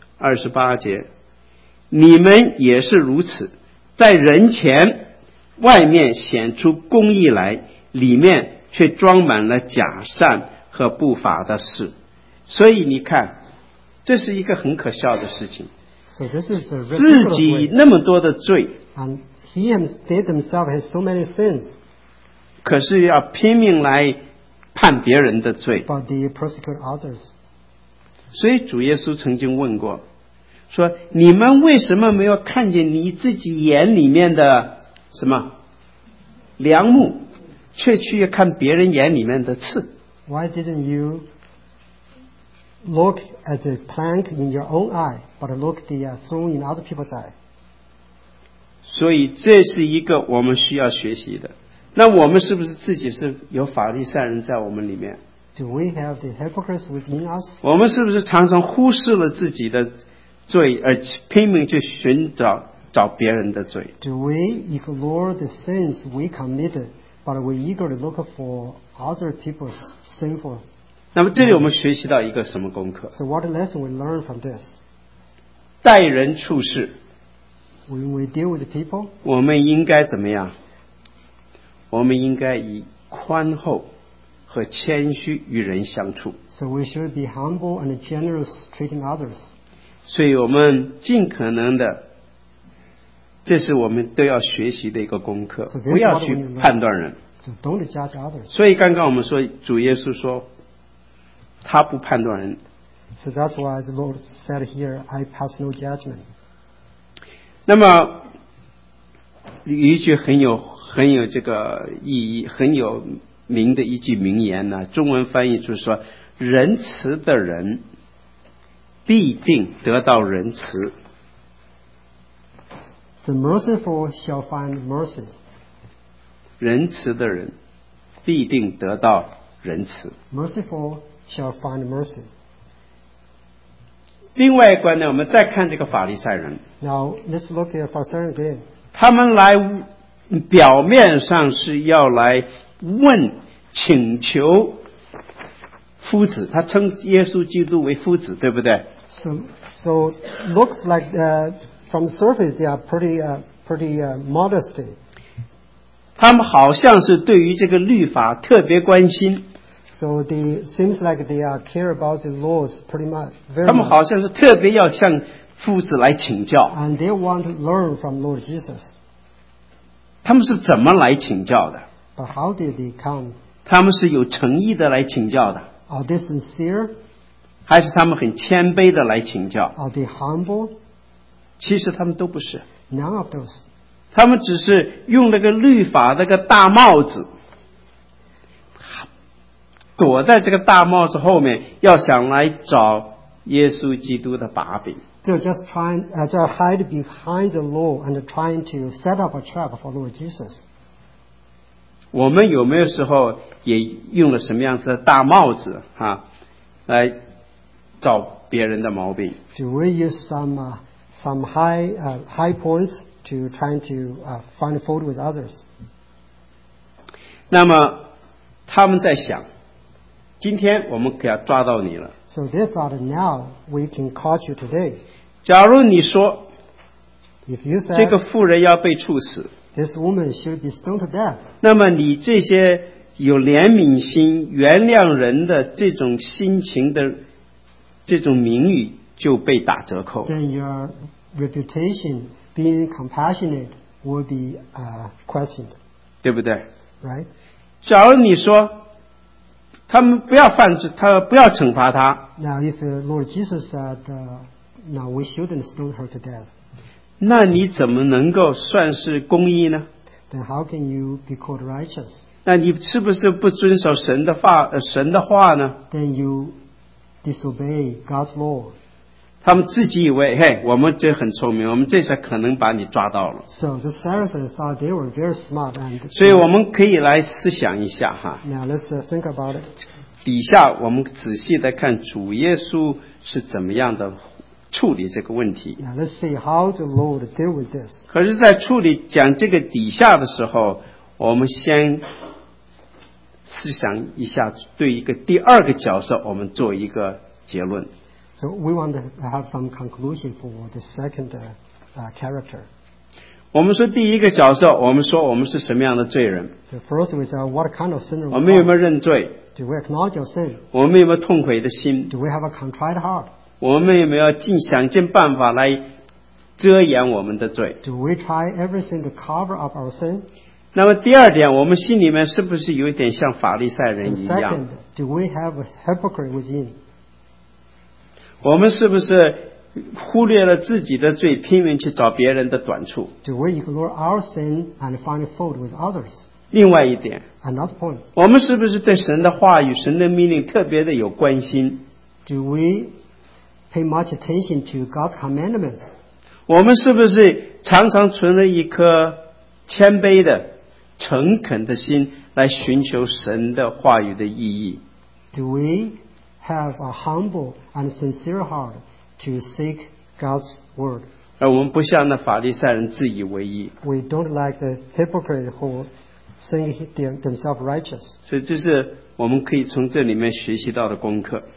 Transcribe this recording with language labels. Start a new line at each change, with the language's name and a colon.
Chinese: 二十八节，你们也是如此，在人前外面显出公义来，里面却装满了假善和不法的事。所以你看，这是一个很可笑的事情。
English: So、this is a
Chinese: 自己那么多的罪，
English: and he did himself has so many sins.
Chinese: 可是要拼命来判别人的罪。
English: But they persecute others.
Chinese: 所以主耶稣曾经问过，说你们为什么没有看见你自己眼里面的什么良木，却去看别人眼里面的刺？
English: Why didn't you look at the plank in your own eye, but look the thorn in other people's eye?
Chinese: 所以这是一个我们需要学习的。那我们是不是自己是有法利赛人在我们里面？
English: Do we have the hypocrites within us?
Chinese: 我们是不是常常忽视了自己的罪，而拼命去寻找找别人的罪？
English: Do we ignore the sins we committed, but we eagerly look for other people's sinful?
Chinese: 那么这里我们学习到一个什么功课？
English: So what lesson we learn from this?
Chinese: 待人处事，
English: when we deal with the people,
Chinese: 我们应该怎么样？我们应该以宽厚和谦虚与人相处。
English: So we should be humble and generous treating others.
Chinese: 所以我们尽可能的，这是我们都要学习的一个功课，不要去判断人。
English: So don't judge others.
Chinese: 所以刚刚我们说主耶稣说他不判断人。
English: So that's why the Lord said here, I pass no judgment.
Chinese: 那么一句很有这个意义，很有名的一句名言呢、啊，中文翻译就是说：仁慈的人必定得到仁慈。
English: The merciful shall find mercy.
Chinese: 仁慈的人必定得到仁慈。
English: Merciful shall find mercy.
Chinese: 另外一关呢，我们再看这个法利赛人。
English: Now let's look at Pharisees again.
Chinese: 他们来。表面上是要来问请求夫子，他称耶稣基督为夫子，对不对？
English: So looks like from the surface they are pretty modest.
Chinese: 他们好像是对于这个律法特别关心。
English: So they seems like they are care about the laws pretty much, very
Chinese: much. 他们好像是特别要向夫子来请教。
English: And they want to learn from Lord Jesus.
Chinese: 他们是怎么来请教的？
English: But how did they come?
Chinese: 他们是有诚意的来请教的。
English: Are they sincere?
Chinese: 还是他们很谦卑的来请教？
English: Are they humble?
Chinese: 其实他们都不是。
English: None of those.
Chinese: 他们只是用那个律法那个大帽子，躲在这个大帽子后面，要想来找耶稣基督的把柄。
English: They're just trying to hide behind the law and trying to set up a trap for Lord Jesus.
Chinese: 我们有没有时候也用了什么样子的大帽子啊，来找别人的毛病？
English: Do we use some high points to trying to find fault with others?
Chinese: 那么他们在想，今天我们给他抓到你了。
English: So they thought now we can catch you today.
Chinese: 假如你说
English: If you said,
Chinese: 这个妇人要被处死，
English: this woman should be stoned to death.
Chinese: 那么你这些有怜悯心原谅人的这种心情的这种名誉就被打折扣。
English: Then your reputation being compassionate will be questioned.
Chinese: 对不对？
English: Right?
Chinese: 假如你说他们不要犯罪，他不要惩罚他。
English: Now, if the Lord Jesus said, "Now we shouldn't stone her to death,"
Chinese: 那你怎么能够算是公义呢
English: ？Then how can you be called righteous?
Chinese: 那你是不是不遵守神的话？神的话呢
English: ？Then you disobey God's law.
Chinese: 他们自己以为，嘿，我们这很聪明，我们这次可能把你抓到了。
English: So the Pharisees thought they were very smart. And
Chinese: 所以我们可以来思想一下哈。
English: Now let's think about it.
Chinese: 底下我们仔细的看主耶稣是怎么样的处理这个问题。
English: Now let's see how the Lord deal with this.
Chinese: 可是，在处理讲这个底下的时候，我们先思想一下，对一个第二个角色，我们做一个结论。
English: So we want to have some conclusion for the second character.
Chinese: 我们说第一个角色，我们说我们是什么样的罪人。
English: So first we say what kind of sinner.
Chinese: 我们有没有认罪
English: ？Do we acknowledge our sin？
Chinese: 我们有没有痛悔的心
English: ？Do we have a contrite heart？
Chinese: 我们有没有尽想尽办法来遮掩我们的罪
English: ？Do we try everything to cover up our sin？
Chinese: 那么第二点，我们心里面是不是有点像法利赛人一样
English: ？Do we have a hypocrite within？
Chinese: 我们是不是忽略了自己的罪，拼命去找别人的短处
English: ？Do we ignore our sin and find fault with others？
Chinese: 另外一点
English: ，Another point，
Chinese: 我们是不是对神的话语、神的命令特别的有关心
English: ？Do we pay much attention to God's commandments？
Chinese: 我们是不是常常存了一颗谦卑的、诚恳的心来寻求神的话语的意义
English: ？Do we？ Have a humble and sincere heart to seek God's word.
Chinese: 而我们不像那法利赛人自以为意。
English: We don't like the hypocrite who think themselves righteous.
Chinese: 所以这是我们可以从这里面学习到的功课。